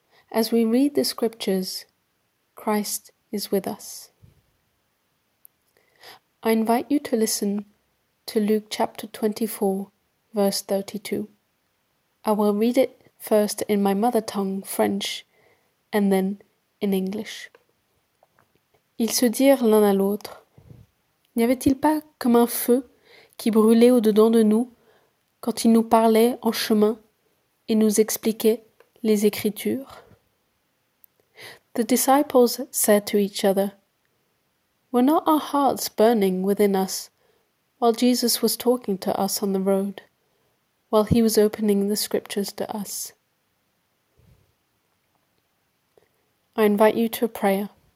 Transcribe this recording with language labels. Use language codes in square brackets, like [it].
[en] As we read the scriptures, Christ is with us. I invite you to listen to Luke chapter 24, verse 32. I will read it first in my mother tongue, French, and then in English. [fr] Ils se dirent l'un à l'autre, « N'y avait-il pas comme un feu qui brûlait au-dedans de nous quand il nous parlait en chemin et nous expliquait les Écritures ?» [en] The disciples said to each other, « Were not our hearts burning within us while Jesus was talking to us on the road, while he was opening the Scriptures to us ?» I invite you to a prayer.